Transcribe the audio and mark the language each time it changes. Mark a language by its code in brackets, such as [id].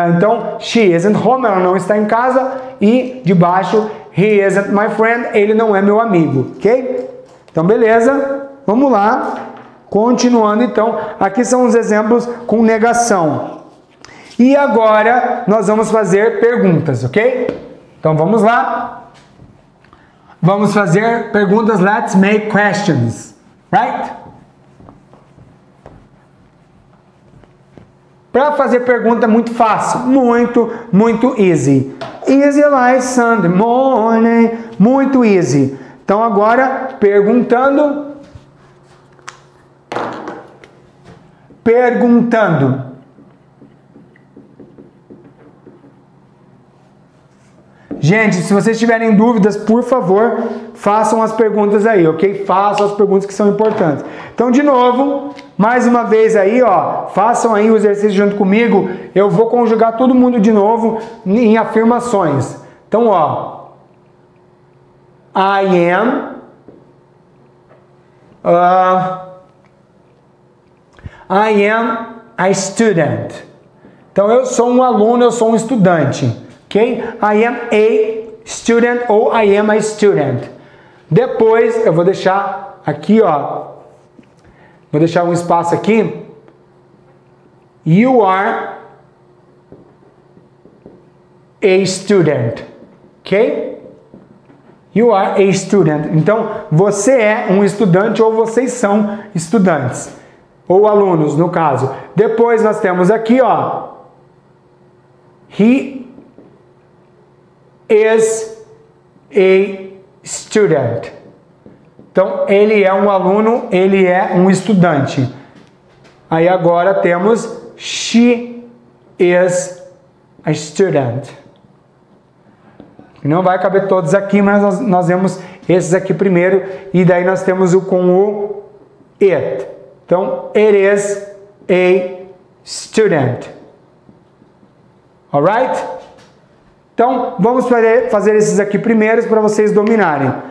[pt] Então, [en] she isn't home, [pt] ela não está em casa. E de baixo, [en] he isn't my friend, [pt] ele não é meu amigo, ok? Então, beleza. Vamos lá. Continuando, então. Aqui são os exemplos com negação. E agora nós vamos fazer perguntas, ok? Então vamos lá. Vamos fazer perguntas. [en] Let's make questions, right? [pt] Para fazer pergunta, muito fácil. Muito, muito easy. [en] Easy like Sunday morning. [pt] Muito easy. Então agora, perguntando. Perguntando. Gente, se vocês tiverem dúvidas, por favor, façam as perguntas aí, ok? Façam as perguntas que são importantes. Então, de novo, mais uma vez aí, ó, façam aí o exercício junto comigo. Eu vou conjugar todo mundo de novo em afirmações. [en] Então, ó, I am, I am a student. [pt] Então, eu sou um aluno, eu sou um estudante. [en] Okay? I am a student ou I am a student. [pt] Depois, eu vou deixar aqui, ó. Vou deixar um espaço aqui. [en] You are a student. Ok? You are a student. [pt] Então, você é um estudante ou vocês são estudantes. Ou alunos, no caso. Depois, nós temos aqui, ó. [en] He is a student. [pt] Então, ele é um aluno, ele é um estudante. Aí agora temos [en] she is a student. [pt] Não vai caber todos aqui, mas nós vemos esses aqui primeiro e daí nós temos o com o it. [en] Então, it is a student. Alright? [pt] Então, vamos fazer esses aqui primeiros para vocês dominarem.